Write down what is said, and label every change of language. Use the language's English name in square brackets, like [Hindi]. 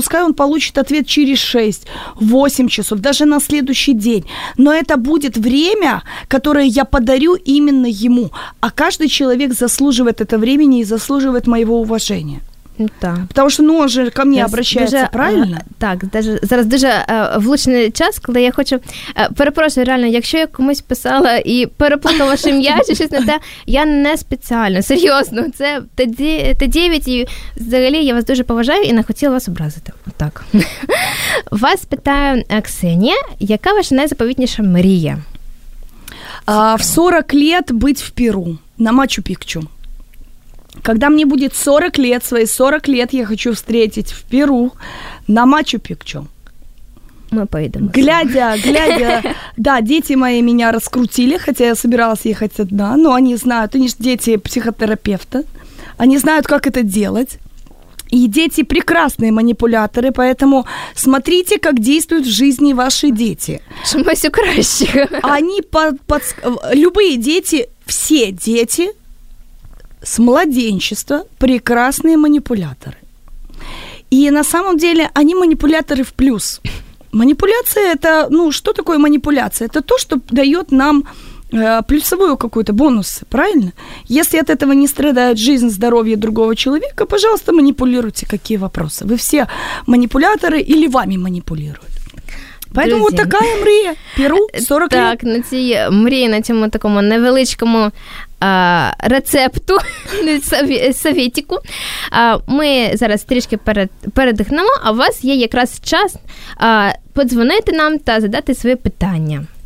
[Russian] Пускай он получит ответ через 6-8 часов, даже на следующий день. Но это будет время, которое я подарю именно ему. А каждый человек заслуживает это времени и заслуживает моего уважения. Да. Потому что, ну, он же ко мне обращается, дуже, правильно? [Ukrainian] Так, даже зараз дуже влучний час, коли я хочу... перепрошую, реально, якщо я комусь писала і переплутала ваше ім'я чи щось на те, я не спеціально, серйозно. Це Т9, і взагалі я вас дуже поважаю і не хотіла вас образити. Отак. Вас питає Ксенія, яка ваша найзаповітніша мрія? [Russian] В 40 лет быть в Перу, на Мачу-Пікчу. Когда мне будет 40 лет, свои 40 лет я хочу встретить в Перу на Мачу-Пикчу. Мы поедем. Глядя. Да, дети мои меня раскрутили, хотя я собиралась ехать одна, но они знают, они же дети психотерапевта, они знают, как это делать. И дети прекрасные манипуляторы, поэтому смотрите, как действуют в жизни ваши дети. Шумось у кращих. Они любые дети, все дети... С младенчества прекрасные манипуляторы. И на самом деле они манипуляторы в плюс. Манипуляция – это, ну, что такое манипуляция? Это то, что дает нам плюсовую какую-то бонус, правильно? Если от этого не страдает жизнь, здоровье другого человека, пожалуйста, манипулируйте, какие вопросы. Вы все манипуляторы или вами манипулируют? Поэтому вот такая мрія. Перу, 40 лет. [Ukrainian] Так, на цій мрії, на цьому такому невеличкому рецепту, совітіку, ми зараз трішки передихнемо, а у вас є якраз час подзвонити нам та задати своє питання.